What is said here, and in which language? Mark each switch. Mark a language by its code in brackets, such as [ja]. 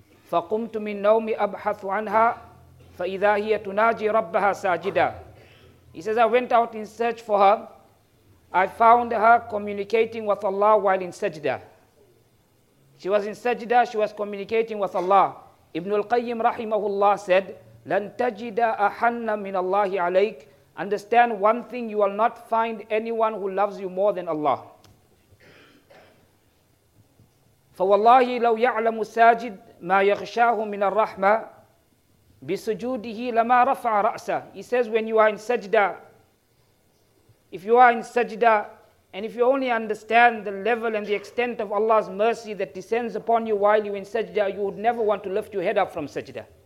[ar] فَقُمْتُ مِنْ نَوْمِ أَبْحَثُ عَنْهَا فَإِذَا هِيَ تُنَاجِي رَبَّهَا سَاجِدًا. [en] He says, I went out in search for her. I found her communicating with Allah while in sajda. She was in sajda, she was communicating with Allah. Ibn al-Qayyim rahimahullah said, [ar] لَنْ تَجِدَ أَحَنَّ مِنَ اللَّهِ عَلَيْكَ. [en] Understand one thing, you will not find anyone who loves you more than Allah. [ar] فَوَاللَّهِ لَوْ يَعْلَمُ السَّاجِدْ مَا يَخْشَاهُ مِنَ الرَّحْمَةِ بِسُجُودِهِ لَمَا رَفَعَ رَأْسَهِ. [en] He says, when you are in sajda, if you are in sajda, and if you only understand the level and the extent of Allah's mercy that descends upon you while you're in sajda, you would never want to lift your head up from sajda.